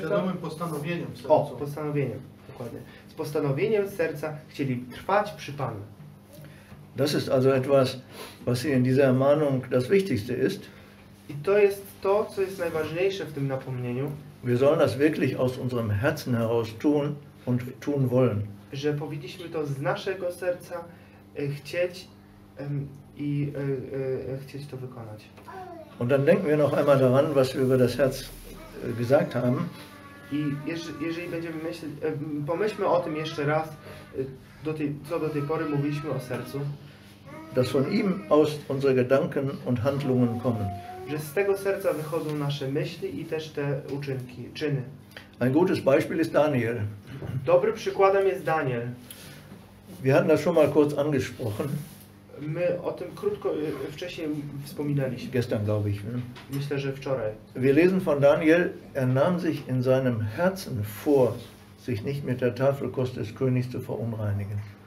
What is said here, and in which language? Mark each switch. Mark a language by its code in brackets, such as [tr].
[pl] świadomym postanowieniem serca. O, postanowieniem, dokładnie. Z postanowieniem serca chcieli trwać przy Panu. [de] Das ist also etwas, was hier in dieser Ermahnung das Wichtigste ist. [pl] I to jest to, co jest najważniejsze w tym napomnieniu. [de] Wir sollen das wirklich aus unserem Herzen heraus tun und tun wollen. [pl] Że powinniśmy to z naszego serca chcieć i chcieć to wykonać. [de] Und dann denken wir noch einmal daran, was wir über das Herz gesagt haben. [pl] I jeżeli będziemy myśleć, pomyślmy o tym jeszcze raz, co do tej pory mówiliśmy o sercu. [de] Dass von ihm aus unsere Gedanken und Handlungen kommen. [pl] Że z tego serca wychodzą nasze myśli i też te uczynki, czyny. [de] Ein gutes Beispiel ist Daniel. [pl] Dobrym przykładem jest Daniel. [de] Wir hatten das schon mal kurz angesprochen. [pl] My o tym krótko wcześniej wspominaliśmy. [de] Gestern, glaube ich. Ne? [pl] Myślę, że wczoraj. [de] Wir lesen von Daniel, er nahm sich in seinem Herzen vor, sich nicht mit der Tafelkost des Königs zu verunreinigen.